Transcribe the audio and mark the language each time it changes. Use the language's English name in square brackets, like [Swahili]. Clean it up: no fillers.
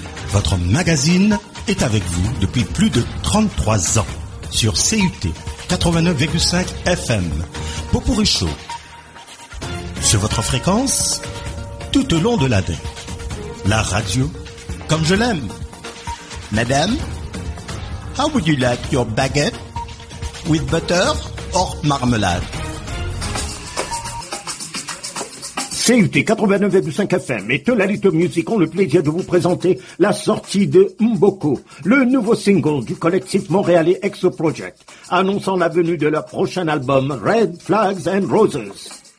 [French] Votre magazine est avec vous depuis plus de 33 ans. Sur CUT 89,5 FM, Popourri Show, sur votre fréquence, tout au long de l'année, la radio, comme je l'aime. [English] Madame, how would you like your baguette, with butter or marmalade? [French] CUT 89.5 FM et Tolalito Music ont le plaisir de vous présenter la sortie de Mboko, le nouveau single du collectif montréalais Exo Project, annonçant la venue de leur prochain album Red Flags and Roses.